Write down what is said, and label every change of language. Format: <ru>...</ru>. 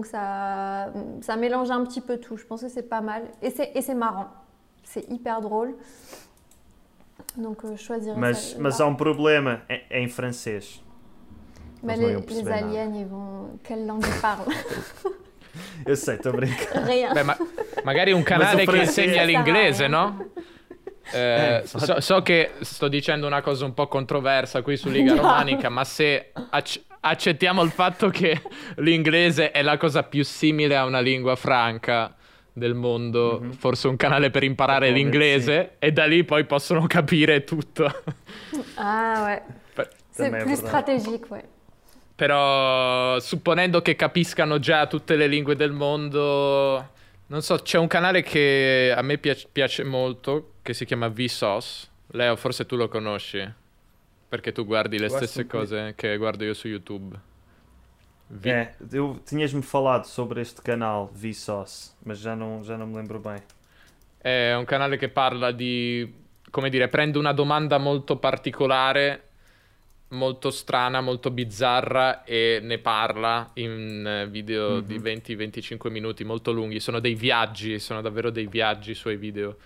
<fr>Donc, ça mélange un petit peu tout. Je pense que c'est pas mal. Et c'est marrant. C'est hyper drôle. Donc, je choisirais mais, ça. Mais il y a un problème en français. Mais les aliens, ils vont... Quelle langue ils parlent?</fr> <it>Io sai, sto</it> <pt>brincando.</pt> <fr>Rien.</fr> <it>Beh, magari un canale che insegna l'inglese, no? So che sto dicendo una cosa un po' controversa qui su Liga Romanica, ma se accettiamo il fatto che l'inglese è la cosa più simile a una lingua franca del mondo, mm-hmm. forse un canale per imparare l'inglese, sì. E da lì poi possono capire tutto.</it> <fr>Ah, ouais.</fr> <it>C'è più strategico,</it> <fr>ouais.</fr> <it>Però supponendo che capiscano già tutte le lingue del mondo, non so, c'è un canale che a me piace molto, che si chiama Vsauce. Leo, forse tu lo conosci, perché tu guardi le stesse cose che guardo io su YouTube.</it> <pt>Tinhas-me falado sobre este canal, Vsauce, mas já não me lembro bem.</pt> <it>È un canale che parla di, come dire, prende una domanda molto particolare, molto strana, molto bizzarra, e ne parla in video mm-hmm. di 20-25 minuti, molto lunghi. Sono dei viaggi, sono davvero dei viaggi i suoi video.</it>